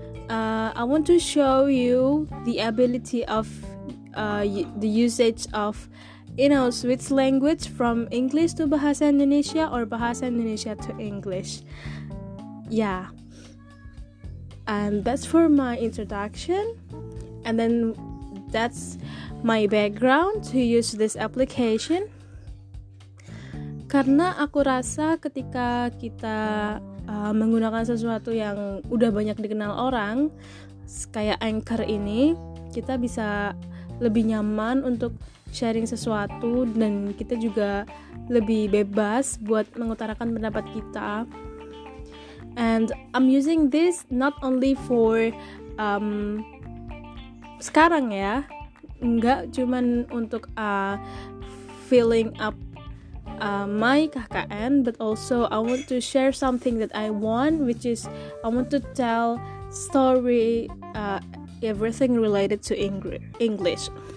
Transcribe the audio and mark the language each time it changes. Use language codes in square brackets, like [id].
[en] I want to show you the ability of the usage of, you know, switch language from English to Bahasa Indonesia or Bahasa Indonesia to English. Yeah, and that's for my introduction, and then that's my background to use this application. [id] Karena aku rasa ketika kita menggunakan sesuatu yang udah banyak dikenal orang kayak anchor ini, kita bisa lebih nyaman untuk sharing sesuatu dan kita juga lebih bebas buat mengutarakan pendapat kita. [en] And I'm using this not only for [id] sekarang ya, nggak cuman untuk [en] filling up my KKN, but also I want to share something that I want, which is I want to tell story, everything related to English.